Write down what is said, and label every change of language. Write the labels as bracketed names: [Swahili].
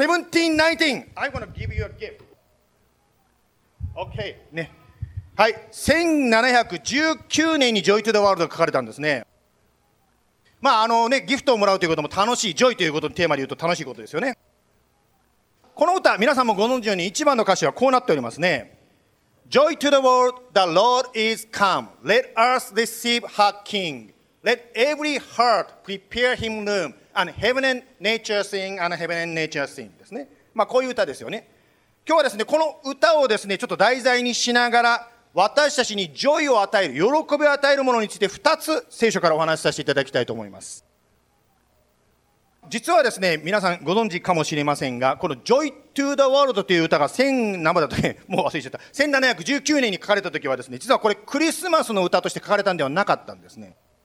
[English] 1719! I'm gonna give you a gift. Okay. [Japanese] ね。はい。 1719年に Joy to the World が書かれたんですね。まあ、ね、ギフトをもらうということも楽しい。Joy ということのテーマで言うと楽しいことですよね。この歌、皆さんもご存知のように一番の歌詞はこうなっておりますね。 [English] Joy to the world, the Lord is come. Let us receive her King. Let every heart prepare him room, and heaven and nature sing, and heaven and nature sing. [Japanese] ですね。まあ、こういう歌ですよね。今日はですね、この歌をですね、ちょっと題材にしながら、私たちにジョイを与える、喜びを与えるものについて、2つ聖書からお話しさせていただきたいと思います。実はですね、皆さんご存知かもしれませんが、この Joy to the World という歌が1719年に書かれたときはですね、実はこれクリスマスの歌として書かれたんではなかったんですね。